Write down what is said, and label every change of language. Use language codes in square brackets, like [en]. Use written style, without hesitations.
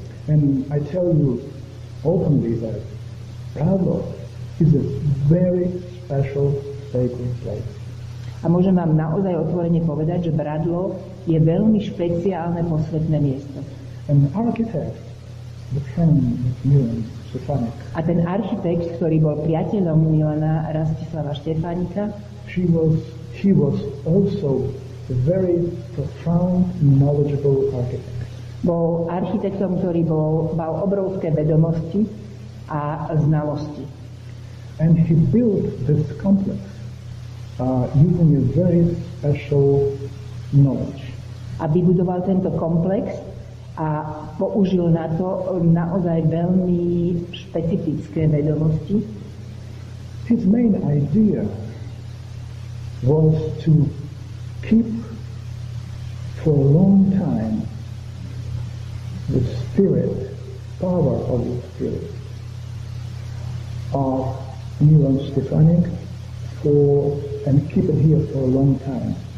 [en] And I tell you openly that Bradlo is a very special sacred place. [sk] A môžem vám naozaj otvorene povedať, že Bradlo je veľmi špeciálne posvetné miesto. [en] An architect, the friend of Milan Štefánik. [sk] A ten architekt, ktorý bol priateľom Milana Rastislava Štefánika, [en] she was he was also a very profound, knowledgeable architect. [sk] Bol architektom, ktorý bol, mal obrovské vedomosti a znalosti. [en] And he built this complex using a very special knowledge. [sk] A vybudoval tento komplex a použil na to naozaj veľmi špecifické vedomosti. [en] His main idea was to keep for a long time the spirit, power of the spirit of Milan Štefánik for and keep it here for a long time.